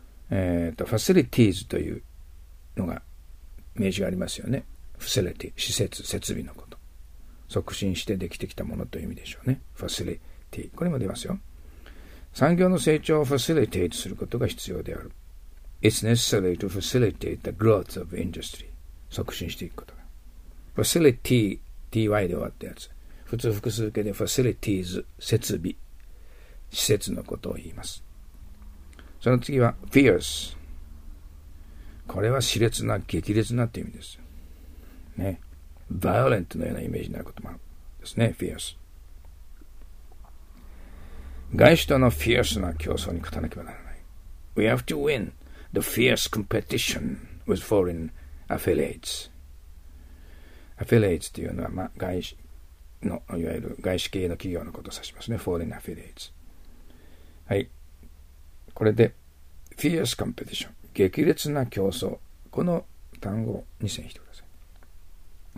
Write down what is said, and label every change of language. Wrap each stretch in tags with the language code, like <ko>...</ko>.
<ja>ファシリティーズというのが、名詞がありますよね。ファシリティ、施設、設備のこと。促進してできてきたものという意味でしょうね。ファシリティ。これも出ますよ。産業の成長をファシリテートすることが必要である。</ja> <en>It's necessary to facilitate the growth of industry.</en> <ja>促進していくことが。Facility, ty で終わったやつ。普通複数形で facilities, 設備、施設のことを言います。その次は fierce。これは熾烈な、激烈なという意味です。ね。violent のようなイメージになることもあるんですね、fierce。外資との fierce な競争に勝たなければならない。</ja> <en>We have to win the fierce competition with foreignアフィリエイツ。</en> <ja>アフィリエイツというのは、まあ、外資の、いわゆる外資系の企業のことを指しますね。フォーリンアフィリエイツ。はい。これで、フィアスコンペティション。激烈な競争。この単語を2000してください。</ja>